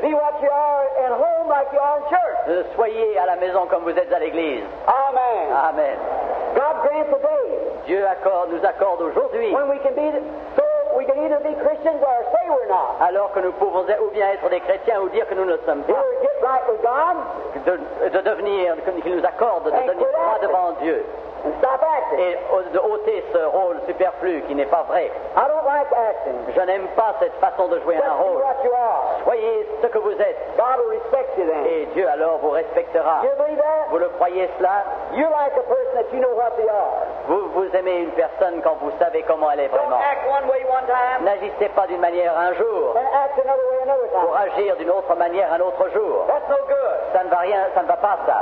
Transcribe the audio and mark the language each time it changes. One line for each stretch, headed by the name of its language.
English: Be what you are at home like you are in church.
French: Soyez à la maison comme vous êtes à l'église.
English: Amen.
French: Amen.
English: God grant the day.
French: Dieu nous accorde aujourd'hui.
English: When we can be the... We can either be Christians or say we're not.
French: Alors que nous pouvons ou bien être des chrétiens ou dire que nous ne sommes pas.
English: Either get right with God.
French: De devenir, qu'il nous accorde de devenir droit devant Dieu.
English: And stop acting.
French: Et de ôter ce rôle superflu qui n'est pas vrai.
English: I don't like acting.
French: Je n'aime pas cette façon de jouer
English: just
French: un rôle.
English: Be what you are.
French: Soyez ce que vous êtes.
English: God will respect you then.
French: Et Dieu alors vous respectera.
English: You believe that?
French: Vous le croyez cela?
English: You like a person that you know what they are.
French: Vous aimez une personne quand vous savez comment elle est vraiment.
English: Don't act one way one time.
French: N'agissez pas d'une manière un jour.
English: And act another way another time.
French: Pour agir d'une autre manière un autre jour.
English: That's no good.
French: Ça ne va rien, ça ne va pas ça.